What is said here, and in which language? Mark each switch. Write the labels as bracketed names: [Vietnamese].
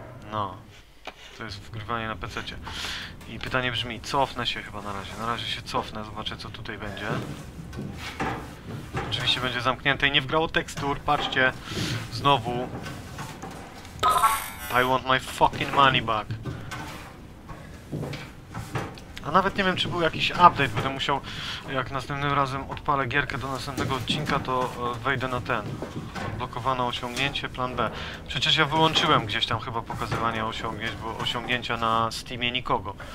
[Polish] No, to jest wgrywanie na PC-cie. I pytanie brzmi, cofnę się chyba na razie. Na razie się cofnę, zobaczę co tutaj będzie. Oczywiście będzie zamknięte i nie wgrało tekstur, patrzcie. Znowu. [English] I want my fucking money back. [Polish] A nawet nie wiem czy był jakiś update, będę musiał, jak następnym razem odpalę gierkę do następnego odcinka, to wejdę na ten. Odblokowane osiągnięcie, plan B. Przecież ja wyłączyłem gdzieś tam chyba pokazywanie osiągnięć, bo osiągnięcia na Steamie nikogo.